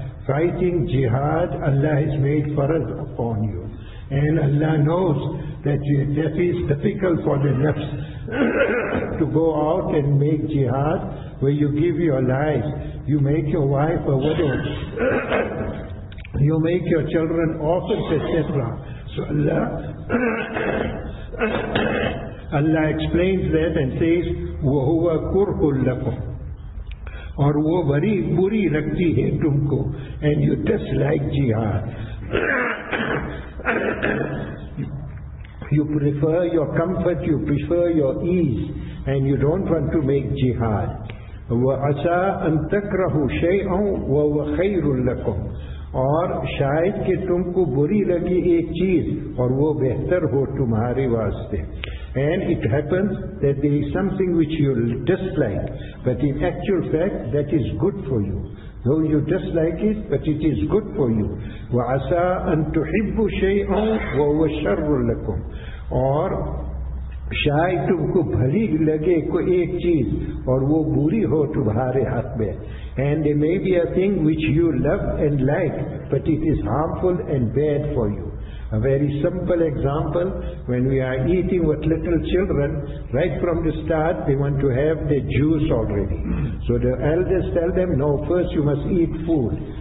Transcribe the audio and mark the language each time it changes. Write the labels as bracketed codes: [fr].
[en] Fighting jihad, Allah has made faraz upon you. And Allah knows that that is difficult for the nafs to go out and make jihad, where you give your life, you make your wife a widow, you make your children orphans, etc. So Allah explains that and says, [ar] وَهُوَ كُرْهُ لَكُمْ [ur] اور وہ بری بری رکھتی ہے تم کو, [en] and you dislike jihad. You prefer your comfort, you prefer your ease, and you don't want to make jihad. [ar] وَعَسَىٰ أَن تَكْرَهُ شَيْئًا وَهُوَ خَيْرٌ لَكُمْ [ur] اور شاید کہ تم کو بری لگی ایک چیز اور وہ بہتر ہو تمہارے واسطے. [en] And it happens that there is something which you dislike, but in actual fact that is good for you. Though you dislike it, but it is good for you. [ar] وَعَسَىٰ أَن تُحِبُّ شَيْئًا وَهُوَ شَرٌ لَكُمْ [ur] اور شاید تم کو بھلی لگے کوئی ایک چیز اور وہ بری ہو تمہارے حق میں. [en] And there may be a thing which you love and like, but it is harmful and bad for you. A very simple example, when we are eating with little children, right from the start they want to have the juice already. So the elders tell them, no, first you must eat food.